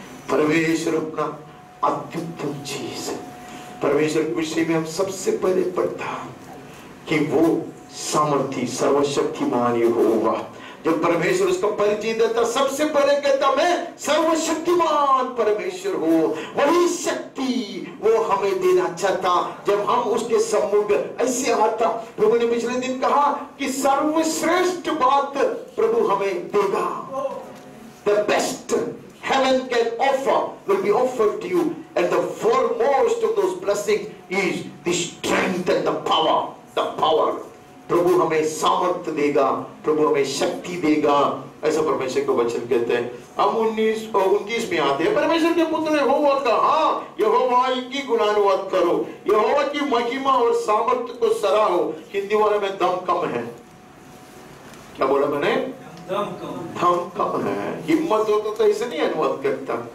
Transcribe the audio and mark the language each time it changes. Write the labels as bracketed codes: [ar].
[hi] परमेश्वर अपना अत्युत्तम चीज, परमेश्वर के विषय में हम सबसे पहले पढ़ता कि वो सामर्थ्य सर्वशक्तिमान यहोवा, जो परमेश्वर उसका परिचय देता, सबसे पहले कहता मैं सर्वशक्तिमान परमेश्वर हूं, वही शक्ति वो हमें देना चाहता जब हम उसके सम्मुख ऐसे आता। प्रभु ने पिछले दिन कहा कि सर्वश्रेष्ठ बात प्रभु हमें देगा, [en] The best heaven can offer will be offered to you, and the foremost of those blessings is the strength and the power, the power. [hi] प्रभु हमें सामर्थ्य देगा, प्रभु हमें शक्ति देगा, ऐसा परमेश्वर का वचन कहते हैं। हम 19 और 29 में आते हैं, परमेश्वर के पुत्र यहोवा का, हाँ यहोवा की गुणानुवाद करो, यहोवा की महिमा और सामर्थ्य को सराहो। हिंदी वाले में दम कम है, क्या बोला मैंने, दम कम है, हिम्मत हो तो ऐसे नहीं अनुवाद करता,